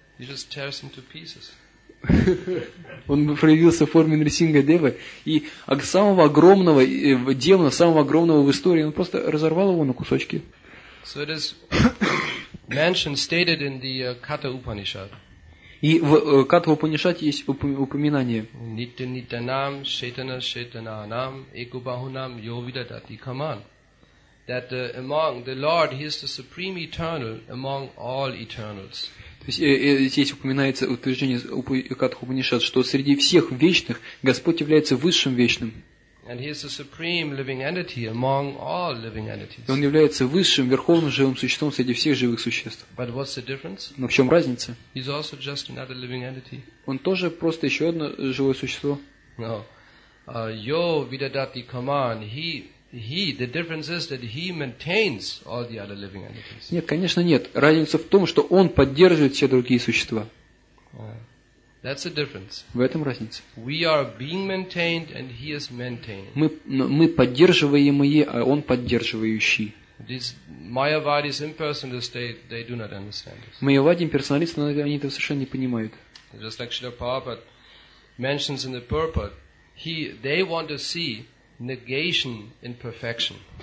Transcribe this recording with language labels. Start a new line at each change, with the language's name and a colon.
English: He just tears him to pieces.
Russian: Он проявился в форме Нрисингадева, и самого огромного демона, самого огромного в истории, он просто разорвал его на кусочки.
English: So it is mentioned, stated in the Katha Upanishad.
Russian: И в Катха Упанишад есть упоминание.
Sanskrit: Нитя нитянам, шетана шетананам, экубахунам, йовидадати каман.
English: That among the Lord, he is the supreme eternal among all eternals.
Russian: То есть здесь упоминается утверждение Катха Упанишад, что среди всех вечных Господь является высшим вечным.
English: And he is the supreme living entity among all living entities.
Russian: Он является высшим верховным живым существом среди всех живых существ.
English: But what's the difference?
Russian: Но в чем разница?
English: He's also just another living entity.
Russian: Он тоже просто еще одно живое существо.
Sanskrit: No. Yo vidadati kaman. He.
English: The difference is that he maintains all the other living entities.
Russian: Нет, конечно нет. Разница в том, что он поддерживает все другие существа.
English: That's the difference.
Russian: В этом разница.
English: We are being maintained, and he is maintained.
Russian: Мы поддерживаемые, а он поддерживающий.
English: These Mayavadis impersonalists, they do not understand this.
Russian: Майявади имперсоналисты, они это совершенно не понимают.
English: Just like Srila Prabhupada mentions in the purport, they want to see negation in perfection.